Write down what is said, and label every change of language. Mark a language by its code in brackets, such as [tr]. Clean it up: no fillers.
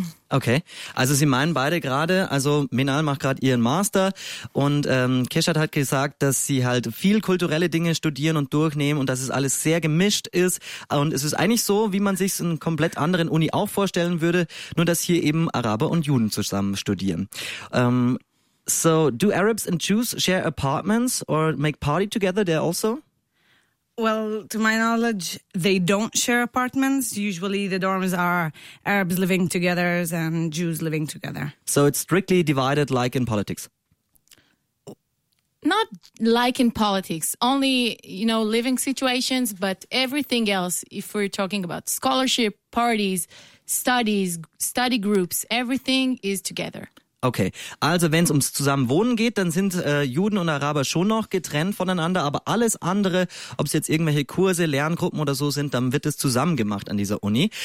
[de] Okay, also Sie meinen beide gerade, also Menal macht gerade ihren Master und Kishat hat gesagt, dass Sie halt viel kulturelle Dinge studieren und durchnehmen und dass es alles sehr gemischt ist. Und es ist eigentlich so, wie man sich einen komplett anderen Uni auch vorstellen würde, nur dass hier eben Araber und Juden zusammen studieren. [en] So, do Arabs and Jews share apartments or make party together there also? Well, to my knowledge, they don't share apartments. Usually the dorms are Arabs living together and Jews living together. So it's strictly divided like in politics? Not like in politics. Only, you know, living situations, but everything else, if we're talking about scholarship, parties, studies, study groups, everything is together. [de] Okay, also wenn es ums Zusammenwohnen geht, dann sind Juden und Araber schon noch getrennt voneinander, aber alles andere, ob es jetzt irgendwelche Kurse, Lerngruppen oder so sind, dann wird es zusammen gemacht an dieser Uni.